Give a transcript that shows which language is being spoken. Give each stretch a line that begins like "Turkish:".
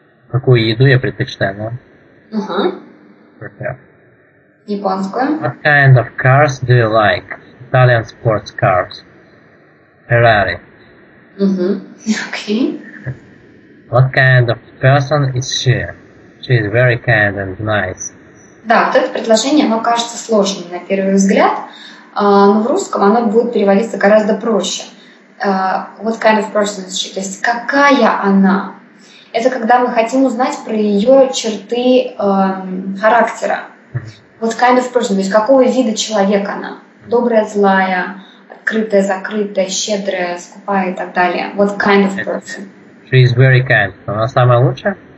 Russian: Какую еду я предпочитаю, да? Uh-huh.
English: Prefer.
Russian: Японскую.
English: What kind of cars do you like? Italian sports cars. Ferrari. Mm-hmm. Okay. What kind of person is she? She is very kind and nice.
Russian: Да, вот это предложение, оно кажется сложным на первый взгляд, но в русском оно будет переводиться гораздо проще.
English: What kind of person is she?
Russian: То есть, какая она? Это когда мы хотим узнать про ее черты характера.
English: What kind of person?
Russian: То есть, какого вида человек она? Добрая, злая, открытая, закрытая, щедрая, скупая и так далее.
English: What kind of person? She is very kind.
Russian: Она самая лучшая?